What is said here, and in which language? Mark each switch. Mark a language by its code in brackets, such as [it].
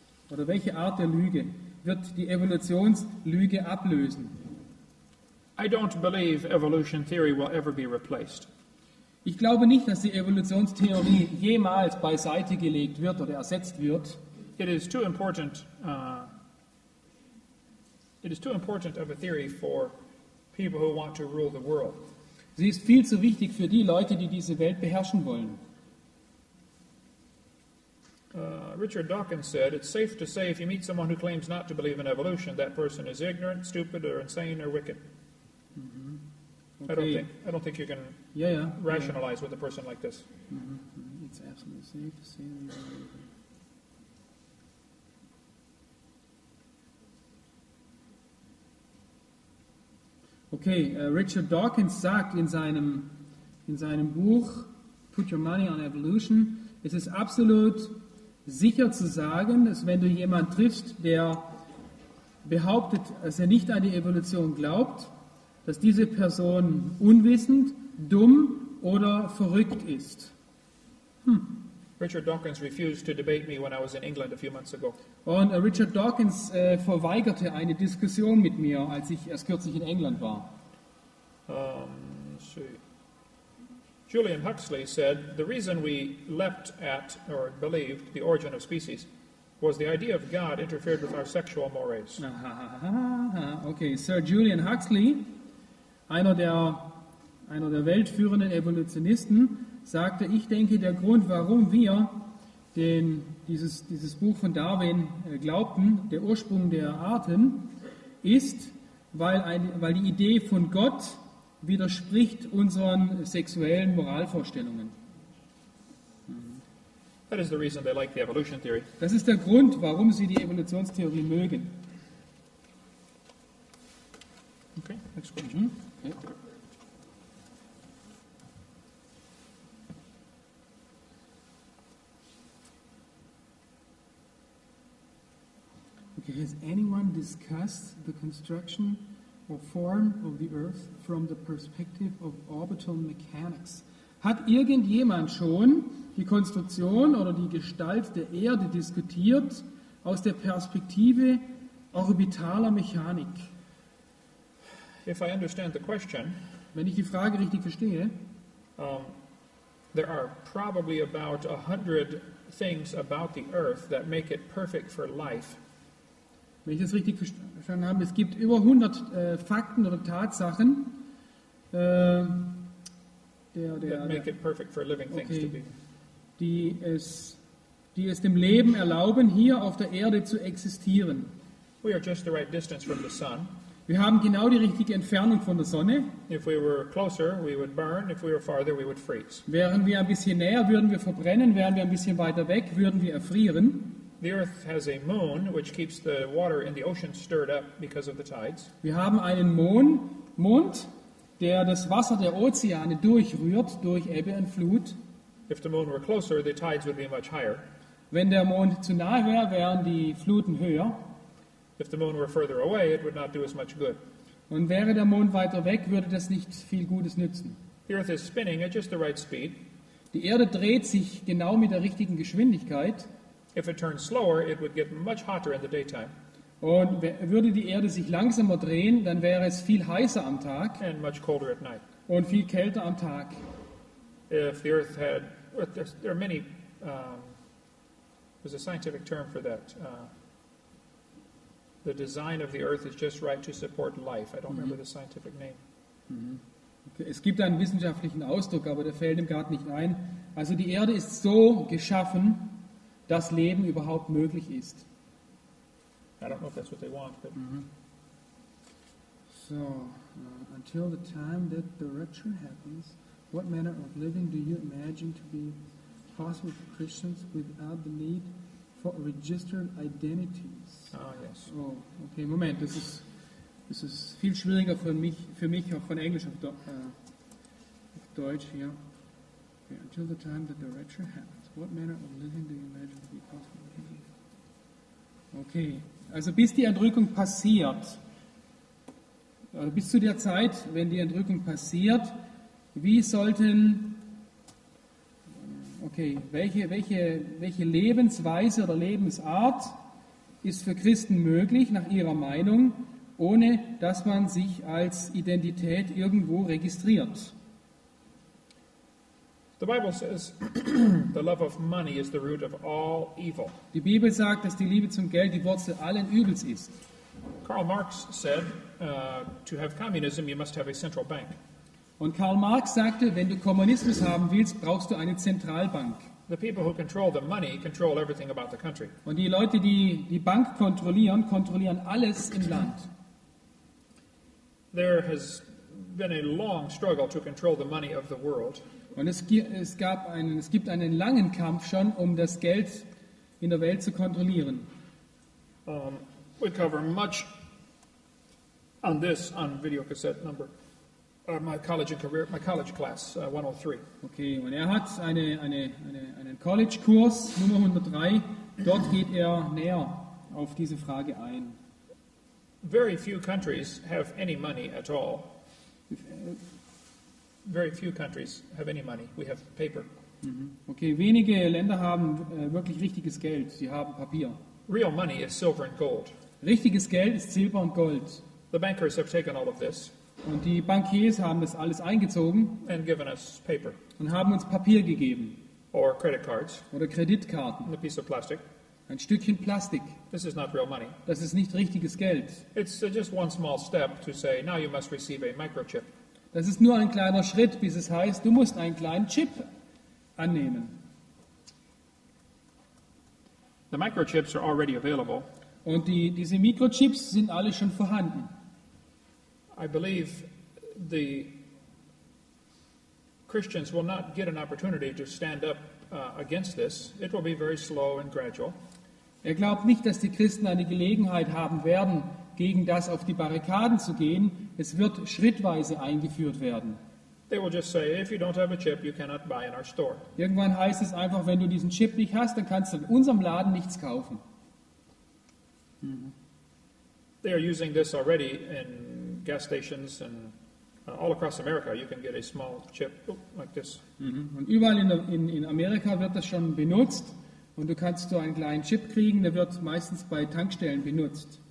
[de] Oder welche Art der Lüge wird die Evolutionslüge ablösen? [en] I don't believe evolution theory will ever be replaced. [de] Ich glaube nicht, dass die Evolutionstheorie jemals beiseite gelegt wird oder ersetzt wird. [en] It is too important. It is too important of a theory for people who want to rule the world. Sie ist viel zu wichtig für die Leute, die diese Welt beherrschen wollen. Richard Dawkins said, "It's safe to say if you meet someone who claims not to believe in evolution, that person is ignorant, stupid, or insane, or wicked." Okay. I don't think you can rationalize with a person like this. Mm-hmm. It's absolutely safe to say. [de] Okay, Richard Dawkins sagt in seinem Buch "Put Your Money on Evolution": Es ist absolut sicher zu sagen, dass wenn du jemanden triffst, der behauptet, dass er nicht an die Evolution glaubt, dass diese Person unwissend, dumm oder verrückt ist. [en] Richard Dawkins refused to debate me when I was in England a few months ago. [de] Und Richard Dawkins verweigerte eine Diskussion mit mir, als ich erst kürzlich in England war. [en] Julian Huxley said, "The reason we leapt at or believed the origin of species was the idea of God interfered with our sexual mores." [de] Okay, Sir Julian Huxley, einer der weltführenden Evolutionisten, sagte, ich denke, der Grund, warum wir dieses Buch von Darwin glaubten, der Ursprung der Arten, ist, weil die Idee von Gott widerspricht unseren sexuellen Moralvorstellungen. [en] That is the reason they like the evolution theory. [de] Das ist der Grund, warum sie die Evolutionstheorie mögen. [en] Okay, next question. Okay, has anyone discussed the construction or form of the Earth from the perspective of orbital mechanics? [de] Hat irgendjemand schon die Konstruktion oder die Gestalt der Erde diskutiert aus der Perspektive orbitaler Mechanik? [en] If I understand the question, [de] wenn ich die Frage richtig verstehe, [en] there are probably about 100 things about the Earth that make it perfect for life. [de] Wenn ich das richtig verstanden habe, es gibt über 100 Fakten oder Tatsachen, die es dem Leben erlauben, hier auf der Erde zu existieren. [en] We are just the right distance from the sun. [de] Wir haben genau die richtige Entfernung von der Sonne. Wären wir ein bisschen näher, würden wir verbrennen. Wären wir ein bisschen weiter weg, würden wir erfrieren. [en] The Earth has a moon, which keeps the water in the ocean stirred up because of the tides. [de] Wir haben einen Mond, der das Wasser der Ozeane durchrührt durch Ebbe und Flut. [en] If the moon were closer, the tides would be much higher. [de] Wenn der Mond zu nahe wäre, wären die Fluten höher. [en] If the moon were further away, it would not do as much good. [de] Und wäre der Mond weiter weg, würde das nicht viel Gutes nützen. [en] The Earth is spinning at just the right speed. [de] Die Erde dreht sich genau mit der richtigen Geschwindigkeit. [en] If it turned slower, it would get much hotter in the daytime. [de] Und würde die Erde sich langsamer drehen, dann wäre es viel heißer am Tag. [en] And much colder at night. [de] Und viel kälter am Tag. [en] If the Earth had, there are many, there's a scientific term for that. The design of the Earth is just right to support life. I don't remember the scientific name. Okay. [de] Es gibt einen wissenschaftlichen Ausdruck, aber der fällt ihm gerade nicht ein. Also die Erde ist so geschaffen, dass Leben überhaupt möglich ist. [en] I don't know if that's what they want, but. So, until the time that the rapture happens, what manner of living do you imagine to be possible for Christians without the need for registered identities? Ah, yes. [de] Oh, okay, Moment, das ist viel schwieriger für mich auch von Englisch auf Deutsch hier. [en] Okay, until the time that the rapture happens, what manner of living do you imagine to be possible? [de] Okay, also bis die Entrückung passiert, bis zu der Zeit, wenn die Entrückung passiert, wie sollten, okay, welche Lebensweise oder Lebensart ist für Christen möglich, nach ihrer Meinung, ohne dass man sich als Identität irgendwo registriert? [en] The Bible says, the love of money is the root of all evil. [de] Die Bibel sagt, dass die Liebe zum Geld die Wurzel allen Übels ist. [en] Karl Marx said, to have communism, you must have a central bank. [de] Und Karl Marx sagte, wenn du Kommunismus haben willst, brauchst du eine Zentralbank. [en] The people who control the money control everything about the country. [de] Und die Leute, die die Bank kontrollieren, kontrollieren alles im Land. [en] There has been a long struggle to control the money of the world. [de] Und es gibt einen langen Kampf schon, um das Geld in der Welt zu kontrollieren. [en] We cover much on this on video cassette number. My college class 103. [de] Okay, und er hat einen College-Kurs Nummer 103. Dort geht er näher auf diese Frage ein. [en] Very few countries have any money at all. Very few countries have any money. We have paper. [de] Okay, wenige Länder haben wirklich richtiges Geld. Sie haben Papier. [en] Real money is silver and gold. [de] Richtiges Geld ist Silber und Gold. [en] The bankers have taken all of this. [de] Und die Bankiers haben das alles eingezogen [en] and given us paper. [de] Und haben uns Papier gegeben. [en] Or credit cards. [de] Oder Kreditkarten. [en] A piece of plastic. [de] Ein Stückchen Plastik. [en] This is not real money. [de] Das ist nicht richtiges Geld. [en] It's just one small step to say, now you must receive a microchip. [de] Das ist nur ein kleiner Schritt, bis es heißt, du musst einen kleinen Chip annehmen. [en] The microchips are already available. [de] Und diese Mikrochips sind alle schon vorhanden. [en] I believe the Christians will not get an opportunity to stand up against this. It will be very slow and gradual. [de] Er glaubt nicht, dass die Christen eine Gelegenheit haben werden, gegen das auf die Barrikaden zu gehen. Es wird schrittweise eingeführt werden. [en] They will just say, if you don't have a chip, you cannot buy in our store. [de] Irgendwann heißt es einfach, wenn du diesen Chip nicht hast, dann kannst du in unserem Laden nichts kaufen. [en] They are using this already in gas stations and all across America you can get a small chip like this. [de] Und überall in Amerika wird das schon benutzt und du kannst so einen kleinen Chip kriegen, der wird meistens bei Tankstellen benutzt.